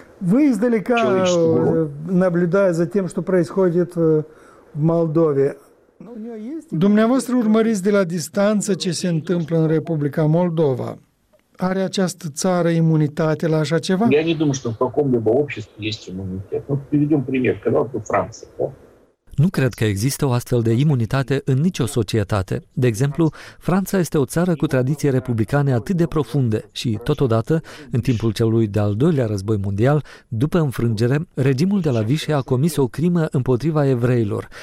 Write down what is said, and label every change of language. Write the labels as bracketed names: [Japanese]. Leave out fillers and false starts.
[Russian] Вы издалека наблюдая за тем, что происходит в Молдове. [Romanian] Dumneavoastră urmăriți de la distanță ce se întâmplă în Republica Moldova. Are această țară imunitate la așa ceva? [Russian] Я не думаю, что в каком-либо обществе есть иммунитет. Ну, приведем пример, когда вот Франция, да? [Romanian] Nu cred că există o astfel de imunitate în nicio societate. De exemplu, Franța este o țară cu tradiții republicane atât de profunde și, totodată, în timpul celui de-al doilea război mondial, după înfrângere, regimul de la Vichy a comis o crimă împotriva evreilor.